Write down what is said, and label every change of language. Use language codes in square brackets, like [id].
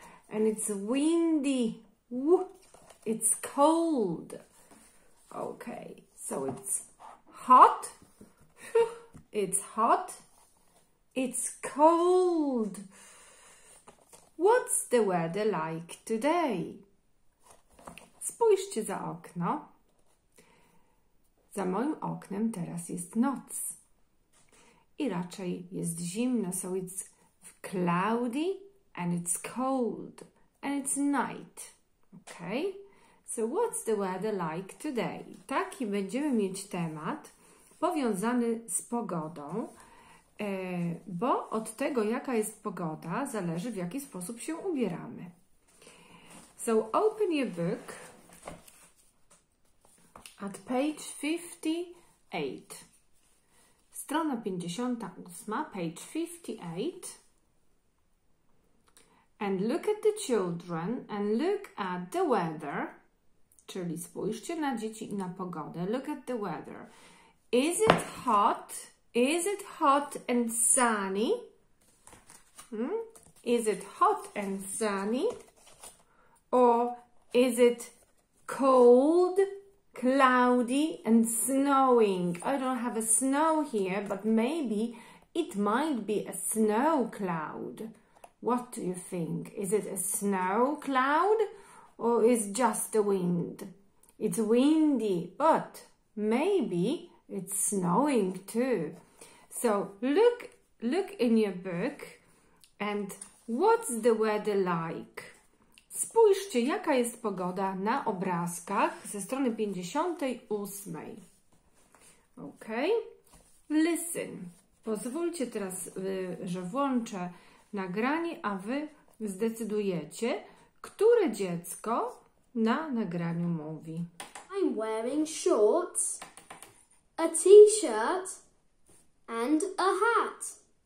[en] And it's windy. Whew. It's cold. Okay, so it's hot. It's hot. It's cold. What's the weather like today? [pl] Spójrzcie za okno. Za moim oknem teraz jest noc. I raczej jest zimno, [en] so it's cloudy and it's cold. And it's night. Okay? So what's the weather like today? [pl] Taki będziemy mieć temat powiązany z pogodą, bo od tego, jaka jest pogoda, zależy, w jaki sposób się ubieramy. [en] So open your book at page 58. [pl] Strona 58, [en] page 58. And look at the children and look at the weather. [pl] Czyli spójrzcie na dzieci i na pogodę. [en] Look at the weather. Is it hot? Is it hot and sunny? Is it hot and sunny? Or is it cold, cloudy and snowing? I don't have a snow here, but maybe it might be a snow cloud. What do you think? Is it a snow cloud? Or is just the wind? It's windy, but maybe it's snowing too. So look in your book and what's the weather like? [pl] Spójrzcie, jaka jest pogoda na obrazkach ze strony 58. [en] Okay? Listen. [pl] Pozwólcie teraz, że włączę nagranie, a wy zdecydujecie, które dziecko na nagraniu mówi. [en] I'm wearing shorts, a t-shirt and a hat.